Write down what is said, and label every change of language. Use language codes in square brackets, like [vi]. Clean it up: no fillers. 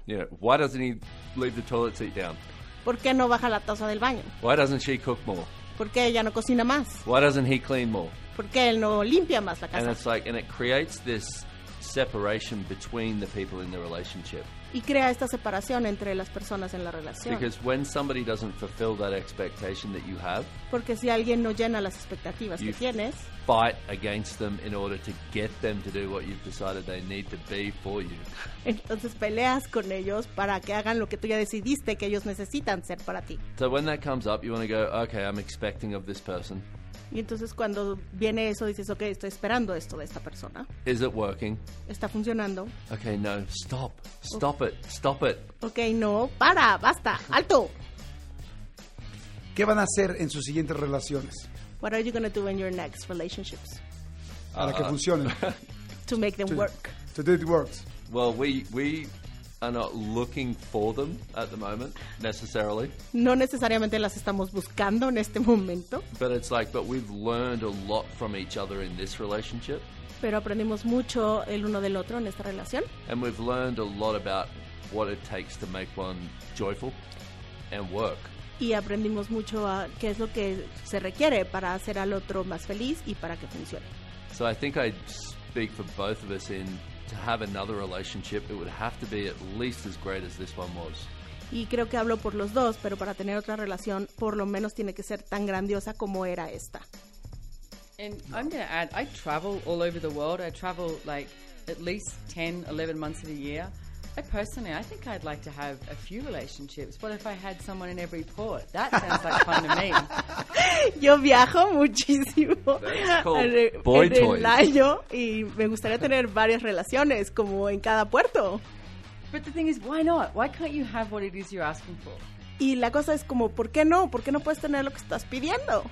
[en] You know, why doesn't he leave the toilet seat down? [es] ¿Por qué no baja la taza del baño? [en] Why doesn't she cook more? [es] ¿Por qué ella no cocina más? [en] Why doesn't he clean more? [es] ¿Por qué él no limpia más la casa? [en] And it's like, and it creates this separation between the people in the relationship. [es] Y crea esta separación entre las personas en la relación. [en] Because when somebody doesn't fulfill that expectation that you have, [es] porque si alguien no llena las expectativas que tienes, [en] you fight against them in order to get them to do what you've decided they need to be for you. [es] Entonces peleas con ellos para que hagan lo que tú ya decidiste que ellos necesitan ser para ti. [en] So when that comes up, you want to go, okay, I'm expecting of this person. [es] Y entonces cuando viene eso dices, okay, estoy esperando esto de esta persona. [en] Is it working? [es] ¿Está funcionando? [en] Okay, no, stop. Stop it. [es] Okay, no, para, basta, alto. ¿Qué van a hacer en sus siguientes relaciones? [en] What are you going to do in your next relationships? [es] Para que funcionen. [en] To make them work. To do it works. Well, we are not looking for them at the moment, necessarily. [es] No necesariamente las estamos buscando en este momento. [en] But it's like, but we've learned a lot from each other in this relationship. [es] Pero aprendimos mucho el uno del otro en esta relación. [en] And we've learned a lot about what it takes to make one joyful and work. [es] Y aprendimos mucho a qué es lo que se requiere para hacer al otro más feliz y para que funcione. [en] So I think I'd speak for both of us in to have another relationship, it would have to be at least as great as this one was. [es] Y creo que hablo por los dos, pero para tener otra relación, por lo menos tiene que ser tan grandiosa como era esta. [en] And I'm going to add, I travel all over the world. I travel like at least 10, 11 months of the year. I personally, I think I'd like to have a few relationships. What if I had someone in every port? That sounds like fun to me. [es] Yo viajo muchísimo. [en] Boy toys. [es] En el año, y me gustaría tener varias relaciones, como en cada puerto. [en] But the thing is, why not? Why can't you have what it is you're asking for? [es] Y la cosa es como, ¿por qué no? ¿Por qué no puedes tener lo que estás pidiendo?